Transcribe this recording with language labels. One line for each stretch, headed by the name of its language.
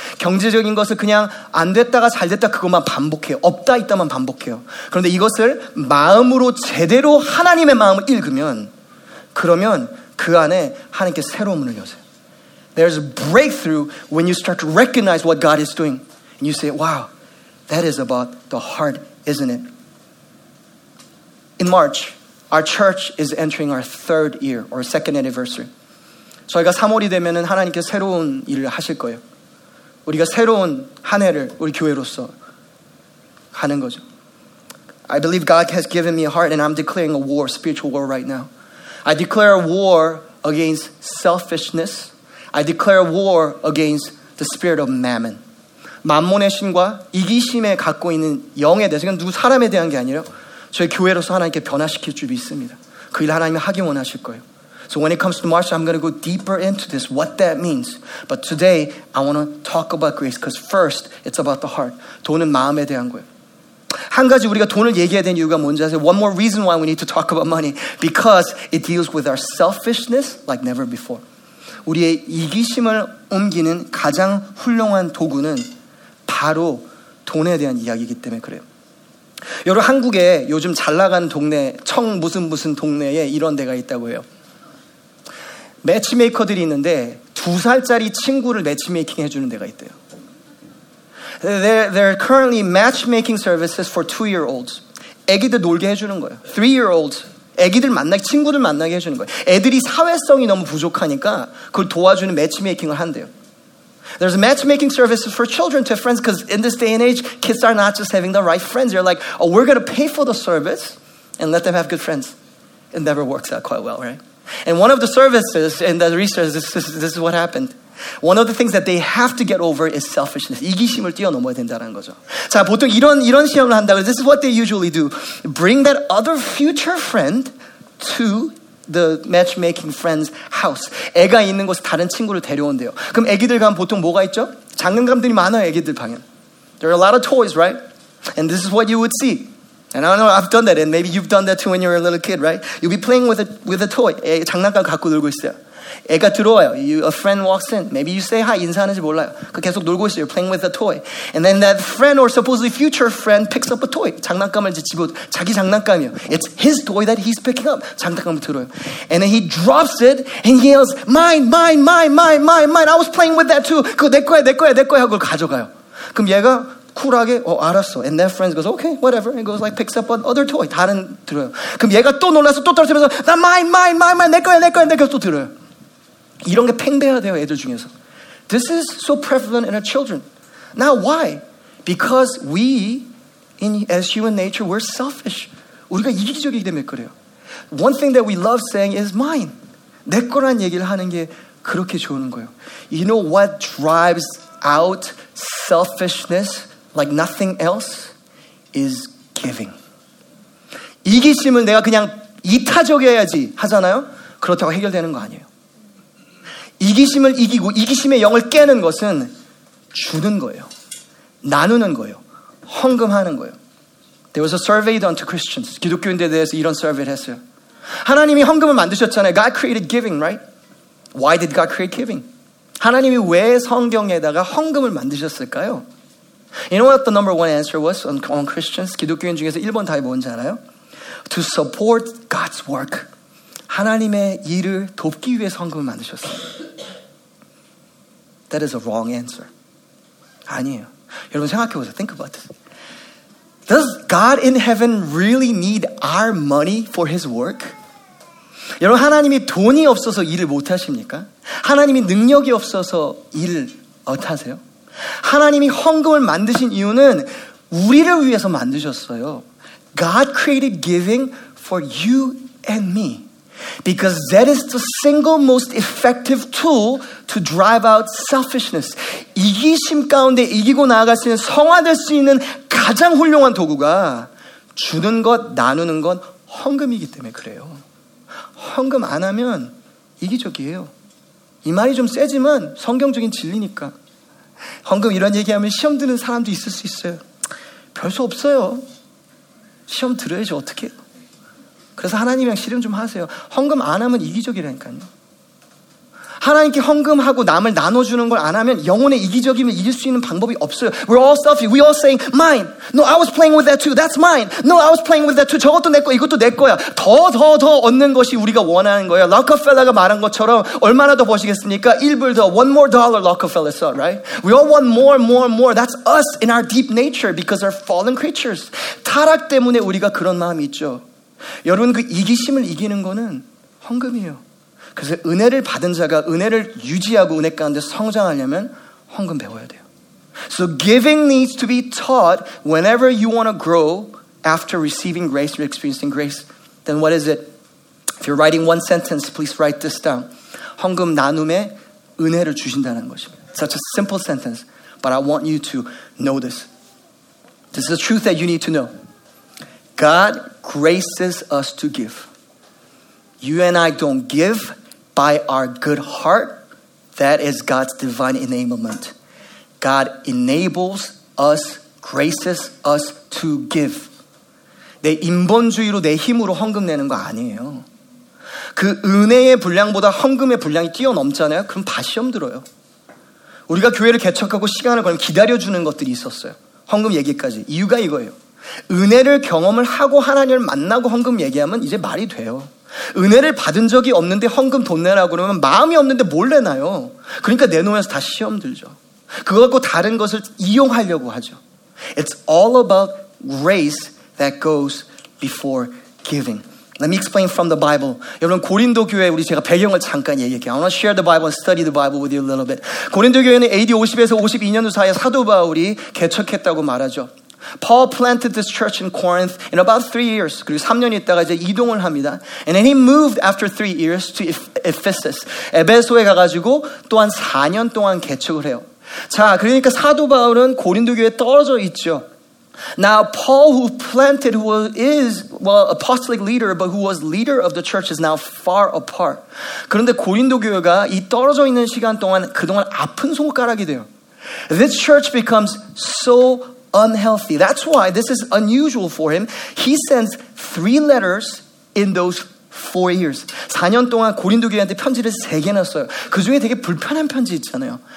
Korean: 경제적인 것을 그냥 안 됐다가 잘 됐다 그것만 반복해요. 없다 있다만 반복해요. 그런데 이것을 마음으로 제대로 하나님의 마음을 읽으면 그러면 그 안에 하나님께 새로운 문을 여세요.
English: There's a breakthrough when you start to recognize what God is doing. And you say, wow, that is about the heart, isn't it? In March, our church is entering our third year or second anniversary.
Korean: 저희가 3월이 되면은 하나님께 새로운 일을 하실 거예요. 우리가 새로운 한 해를 우리 교회로서 하는 거죠.
English: I believe God has given me a heart and I'm declaring a war, spiritual war right now. I declare a war against selfishness. I declare a war against the spirit of mammon.
Korean: 만몬의 신과 이기심에 갖고 있는 영에 대해서 그냥 누구 사람에 대한 게 아니라 저희 교회로서 하나님께 변화시킬 줄 믿습니다. 그 일 하나님이 하기 원하실 거예요.
English: So when it comes to March, I'm going to go deeper into this, what that means. But today, I want to talk about grace because first, it's about the heart.
Korean: 돈은 마음에 대한 거예요. 한 가지 우리가 돈을 얘기해야 되는 이유가 뭔지 아세요?
English: One more reason why we need to talk about money. Because it deals with our selfishness like never before.
Korean: 우리의 이기심을 옮기는 가장 훌륭한 도구는 바로 돈에 대한 이야기이기 때문에 그래요. 여러분 한국에 요즘 잘나간 동네 청 무슨 무슨 동네에 이런 데가 있다고 해요. 매치메이커들이 있는데 두 살짜리 친구를 매치메이킹 해주는 데가 있대요.
English: There are currently matchmaking services for two-year-olds.
Korean: 애기들 놀게 해주는 거예요.
English: Three-year-olds.
Korean: 애기들 만나게, 친구들 만나게 해주는 거예요. 애들이 사회성이 너무 부족하니까 그걸 도와주는 매치메이킹을 한대요.
English: There's matchmaking services for children to friends because in this day and age, kids are not just having the right friends. They're like, oh, we're going to pay for the service and let them have good friends. It never works out quite well, right? And one of the services in the research, this is what happened. One of the things that they have to get over is selfishness.
Korean: 이기심을 뛰어넘어야 된다는 거죠. 자, 보통 이런 시험을 한다고
English: this is what they usually do. Bring that other future friend to the matchmaking friend's house.
Korean: 애가 있는 곳에 다른 친구를 데려온대요. 그럼 애기들 가면 보통 뭐가 있죠? 장난감들이 많아요, 애기들 방에.
English: There are a lot of toys, right? And this is what you would see. And I don't know, I've done that, and maybe you've done that too when you were a little kid, right? You'll be playing with a toy.
Korean: 애, 장난감 갖고 놀고 있어요. 애가 들어와요.
English: A friend walks in. Maybe you say hi.
Korean: 인사하는지 몰라요. 그 계속 놀고 있어요.
English: You're playing with a toy. And then that friend or supposedly future friend picks up a toy.
Korean: 장난감을 이제 집어. 자기 장난감이요.
English: It's his toy that he's picking up.
Korean: 장난감을 들어요.
English: And then he drops it and he yells, mine, mine, mine, mine, mine, mine. I was playing with that too.
Korean: 그거 내 거야, 내 거야, 내 거야. 그걸 가져가요. 그럼 얘가 쿨하게 알았어.
English: And that friend goes, okay, whatever. And goes like picks up another toy.
Korean: 다른 들어요. 그럼 얘가 또 놀라서 또 떨어뜨려서 나
English: mine, mine, mine, mine.
Korean: 내 거야, 내 거야, 내 거야. 또 들어요. 이런 게 팽배화돼요 애들 중에서.
English: This is so prevalent in our children. Now why? Because we, as human nature, we're selfish.
Korean: 우리가 이기적이기 때문에 그래요.
English: One thing that we love saying is mine.
Korean: 내 거란 얘기를 하는 게 그렇게 좋은 거예요.
English: You know what drives out selfishness like nothing else? Is giving.
Korean: 이기심은 내가 그냥 이타적이어야지 하잖아요. 그렇다고 해결되는 거 아니에요. 이기심을 이기고 이기심의 영을 깨는 것은 주는 거예요. 나누는 거예요. 헌금하는 거예요.
English: There was a survey done to Christians.
Korean: 기독교인들에 대해서 이런 survey를 했어요. 하나님이 헌금을 만드셨잖아요.
English: God created giving, right? Why did God create giving?
Korean: 하나님이 왜 성경에다가 헌금을 만드셨을까요?
English: You know what the number one answer was on Christians?
Korean: 기독교인 중에서 1번 답이 뭔지 알아요?
English: To support God's work.
Korean: 하나님의 일을 돕기 위해 헌금을 만드셨어요.
English: That is a wrong answer.
Korean: 아니에요. 여러분 생각해 보세요.
English: Think about this. Does God in heaven really need our money for his work?
Korean: 여러분 하나님이 돈이 없어서 일을 못 하십니까? 하나님이 능력이 없어서 일을 어떠세요? 하나님이 헌금을 만드신 이유는 우리를 위해서 만드셨어요.
English: God created giving for you and me. Because that is the single most effective tool to drive out selfishness.
Korean: 이기심 가운데 이기고 나아갈 수 있는 성화될 수 있는 가장 훌륭한 도구가 주는 것, 나누는 건 헌금이기 때문에 그래요. 헌금 안 하면 이기적이에요. 이 말이 좀 세지만 성경적인 진리니까. 헌금 이런 얘기하면 시험 드는 사람도 있을 수 있어요. 별 수 없어요. 시험 들어야지 어떻게 해요. 그래서 하나님이랑 씨름 좀 하세요. 헌금 안 하면 이기적이라니까요. 하나님께 헌금하고 남을 나눠주는 걸 안 하면 영혼의 이기적이면 이길 수 있는 방법이 없어요.
English: We're all selfish. We all saying, mine. No, I was playing with that too. That's mine. No, I was playing with that too.
Korean: 저것도 내 거, 이것도 내 거야. 더 얻는 것이 우리가 원하는 거예요. Rockefeller가 말한 것처럼 얼마나 더 버시겠습니까? 1불 더.
English: One more dollar, Rockefeller said, right? We all want more, more, more. That's us in our deep nature because we're fallen creatures.
Korean: 타락 때문에 우리가 그런 마음이 있죠. 여러분 그 이기심을 이기는 거는 헌금이에요. 그래서 은혜를 받은 자가 은혜를 유지하고 은혜 가운데 성장하려면 헌금 배워야 돼요.
English: So giving needs to be taught whenever you want to grow after receiving grace or experiencing grace. Then what is it? If you're writing one sentence, please write this down.
Korean: 헌금 나눔에 은혜를 주신다는 것입니다.
English: Such a simple sentence, but I want you to know this. This is the truth that you need to know. God graces us to give. You and I don't give by our good heart. That is God's divine enablement. God enables us graces us to give.
Korean: 내 인본주의로 내 힘으로 헌금 내는 거 아니에요. 그 은혜의 분량보다 헌금의 분량이 뛰어넘잖아요. 그럼 다 시험 들어요. 우리가 교회를 개척하고 시간을 걸면 기다려주는 것들이 있었어요. 헌금 얘기까지. 이유가 이거예요. 은혜를 경험을 하고 하나님을 만나고 헌금 얘기하면 이제 말이 돼요. 은혜를 받은 적이 없는데 헌금 돈 내라고 그러면 마음이 없는데 뭘 내나요? 그러니까 내놓으면서 다 시험 들죠. 그거 갖고 다른 것을 이용하려고 하죠.
English: It's all about grace that goes before giving. Let me explain from the Bible.
Korean: 여러분 고린도 교회 우리 제가 배경을 잠깐 얘기할게요.
English: I want to share the Bible and study the Bible with you a little bit.
Korean: 고린도 교회는 AD 50에서 52년 사이에 사도 바울이 개척했다고 말하죠.
English: Paul planted this church in Corinth in about 3 years.
Korean: 그리고 3년 있다가 이제 이동을 합니다.
English: And then he moved after 3 years to Ephesus.
Korean: 에베소에 가가지고 또 한 4년 동안 개척을 해요. 자, 그러니까 사도 바울은 고린도 교회에 떨어져 있죠.
English: Now Paul, who planted, who is well apostolic leader, but who was leader of the church, is now far apart.
Korean: 그런데 고린도 교회가 이 떨어져 있는 시간 동안 그동안 아픈 손가락이 돼요.
English: This church becomes so unhealthy. That's why this is unusual for him. He sends 3 letters in those 4 years.
Korean: 4년 동안 고린도 교회한테 편지를 세 개나 써요. 그 중에 되게 불편한 편지 있잖아요.